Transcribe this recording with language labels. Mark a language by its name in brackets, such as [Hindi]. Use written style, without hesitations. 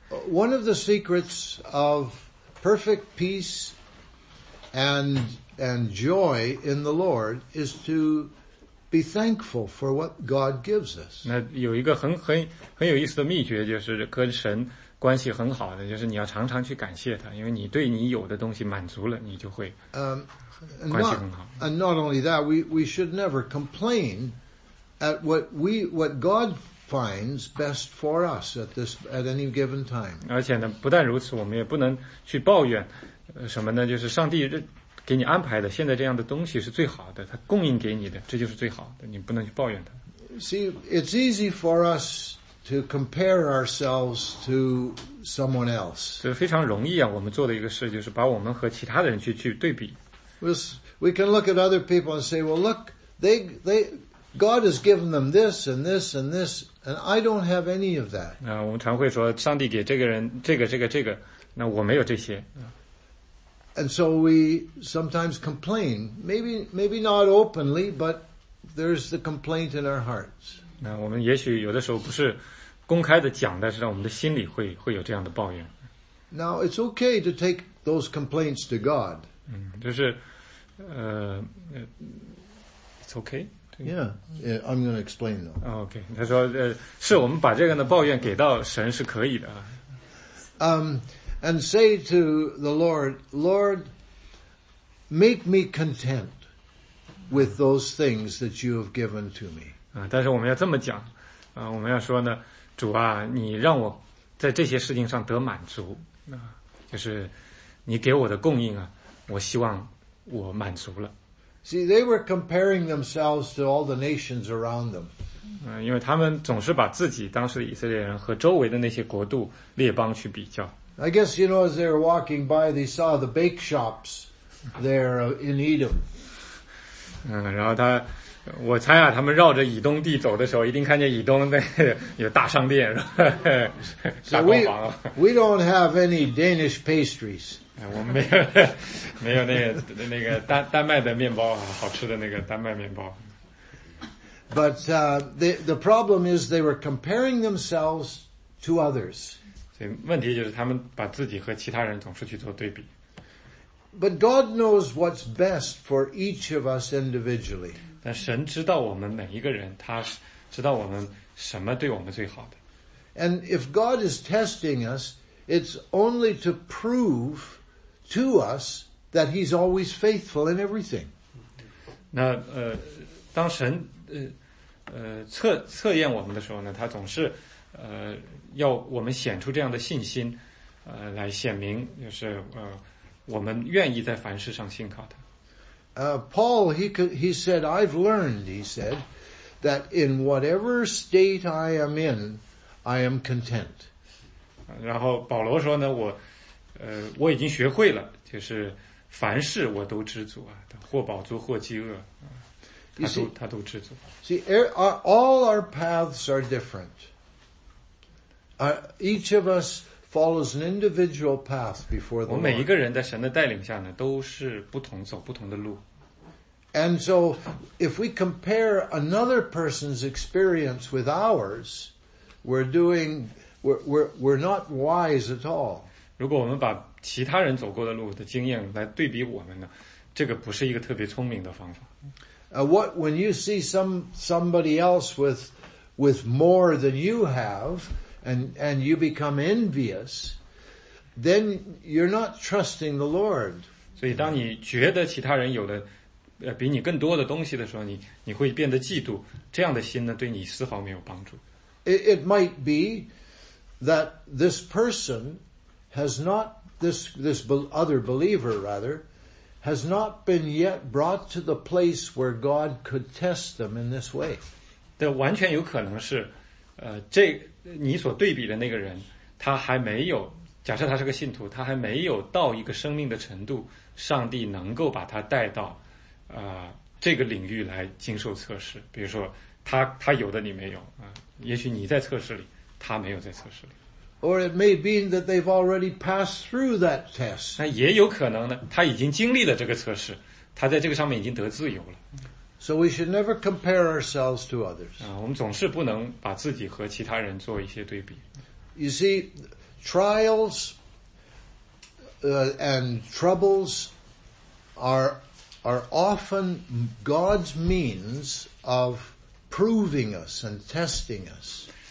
[English] One of the secrets of perfect peace and joy in the Lord is to be thankful for what God gives us. [Chinese] 那有一个很有意思的秘诀，就是跟神关系很好的，就是你要常常去感谢他，因为你对你有的东西满足了，你就会关系很好。 [English] And not only that, we should never complain at what God finds best for us at any given time. [Chinese] 而且呢，不但如此，我们也不能去抱怨什么呢？就是上帝给你安排的，现在这样的东西是最好的，他供应给你的，这就是最好的，你不能去抱怨他。 [English] See, it's easy for us to compare ourselves to someone else. [Chinese] 这是非常容易啊，我们做的一个事就是把我们和其他的人去对比。 [English] We can look at other people and say, "Well, look, God has given them this and this and this, and I don't have any of that." [Chinese] 我们常会说，上帝给这个人这个，那我没有这些。 [English] And so we sometimes complain, maybe not openly, but there's the complaint in our hearts. [Chinese] 那我们也许有的时候不是公开的讲，但是让我们的心里会有这样的抱怨。 [English] Now it's okay to take those complaints to God. [Chinese] 就是 [English] it's okay. Yeah, I'm going to explain though. [Chinese] Okay, 他说是我们把这个的抱怨给到神是可以的啊。 [English] And say to the Lord, Lord, make me content with those things that you have given to me. [Chinese] 但是我们要这么讲啊，我们要说呢，主啊，你让我在这些事情上得满足啊，就是你给我的供应啊，我希望我满足了。 [English] See, they were comparing themselves to all the nations around them. [Chinese] 因为他们总是把自己当时的以色列人和周围的那些国度列邦去比较。 [English] I guess, you know, as they were walking by, they saw the bake shops there in Edom. [Chinese] 然后他，我猜啊，他们绕着以东地走的时候，一定看见以东那有大商店，大锅房。 [English] So we don't have any Danish pastries. [Chinese] 我们没有那个丹麦的面包啊，好吃的那个丹麦面包。 [English] But the problem is they were comparing themselves to others. [Chinese] 所以问题就是他们把自己和其他人总是去做对比。 [English] But God knows what's best for each of us individually. [Chinese] 但神知道我们每一个人，他知道我们什么对我们最好的。 [English] And if God is testing us, it's only to prove to us that He's always faithful in everything. [Chinese] 那当神测验我们的时候呢，他总是要我们显出这样的信心，来显明就是我们愿意在凡事上信靠他。 [English] Paul, he said, I've learned, he said, that in whatever state I am in, I am content. [Chinese] 然后保罗说呢，我已经学会了，就是凡事我都知足啊，或饱足或饥饿，他都知足。 [English] See, all our paths are different. Each of us follows an individual path before the Lord. [Chinese] 我每一个人在神的带领下呢，都是不同走不同的路。 [English] And so, if we compare another person's experience with ours, we're not wise at all. [Chinese] 如果我们把其他人走过的路的经验来对比我们呢，这个不是一个特别聪明的方法。 [English] What when you see somebody else with more than you have, and you become envious, then you're not trusting the Lord. [Chinese] 所以当你觉得其他人有的比你更多的东西的时候，你会变得嫉妒，这样的心呢，对你丝毫没有帮助。 [English] It might be that this person has not, this other believer rather, has not been yet brought to the place where God could test them in this way. [Chinese] 这完全有可能是，这你所对比的那个人，他还没有，假设他是个信徒，他还没有到一个生命的程度，上帝能够把他带到这个领域来经受测试，比如说他有的你没有啊，也许你在测试里，他没有在测试里。 [English] Or it may be that they've already passed through that test. [Chinese] 那也有可能呢，他已经经历了这个测试，他在这个上面已经得自由了。 [English] So we should never compare ourselves to others. [Chinese] 啊，我们总是不能把自己和其他人做一些对比。 [English] You see, trials, and troubles are often God's means of proving us and testing us.